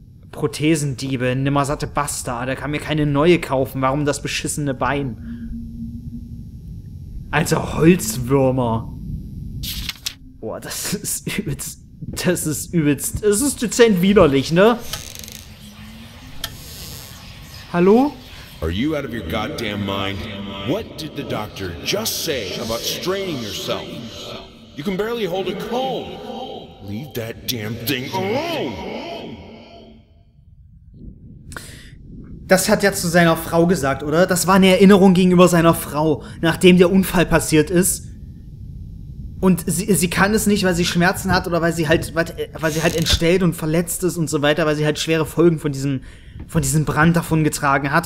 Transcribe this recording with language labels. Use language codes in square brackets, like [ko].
[de] Prothesendiebe, nimmersatte Bastard, der kann mir keine neue kaufen. Warum das beschissene Bein? Alter Holzwürmer. Boah, das ist übelst, das ist dezent widerlich, ne? Hallo? [en] Are you out of your goddamn mind? What did the doctor just say about straining yourself? You can barely hold a comb. Leave that damn thing alone. [de] Das hat er zu seiner Frau gesagt, oder? Das war eine Erinnerung gegenüber seiner Frau, nachdem der Unfall passiert ist. Und sie kann es nicht, weil sie Schmerzen hat oder weil sie halt entstellt und verletzt ist und so weiter, weil sie halt schwere Folgen von diesem Brand davon getragen hat.